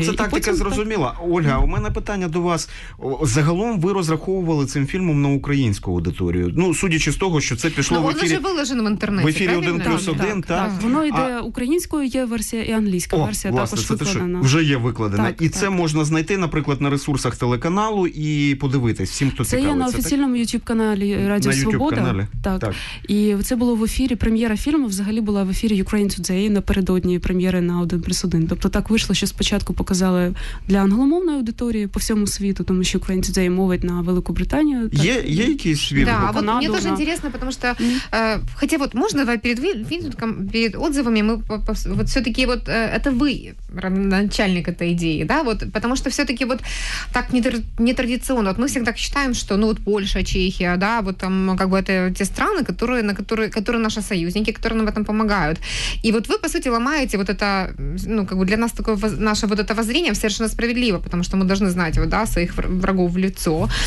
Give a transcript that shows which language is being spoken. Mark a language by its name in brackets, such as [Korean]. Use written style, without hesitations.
[Ukrainian] Ну, це тактика зрозуміла. Ольга, у мене питання до вас. Загалом ви розраховували цим фільмом на українську аудиторію? Ну, судячи з того, що це пішло в ефірі... Ну, воно вже виложено в інтернеті. В ефірі 1+1, так? Воно йде українською, є версія і англійська версія також викладена. Вже є викладена. І це можна знайти, наприклад, на ресурсах телеканалу і подивитись всім, хто цікавиться. Це є на офіційному YouTube-каналі Радіо Свобода. Так. І це було в ефірі, прем'єра фільму взагалі була в ефірі Ukraine Today напередодні прем'єри на 1+1. Тобто так вийшло, що спочатку показали для англомовної аудиторії по всьому світу, тому що Ukraine Today мовить на Велику Британію. Так. Є якийсь світ? [Russian] Да, вот [Ukrainian] мені дуже цікаво, тому що, хоча от можна перед відгуком, перед відзивами, ми от все-таки, от це ви, начальник цієї ідеї, да? От, тому що все-таки, от так нетрадиционно. [Russian] Вот мы всегда считаем, что ну вот Польша, Чехия, да, вот там как бы это те страны, которые, на которые, которые наши союзники, которые нам в этом помогают. И вот вы, по сути, ломаете вот это, ну, как бы для нас такое наше вот это воззрение совершенно справедливо, потому что мы должны знать, вот, да, своих врагов в лицо.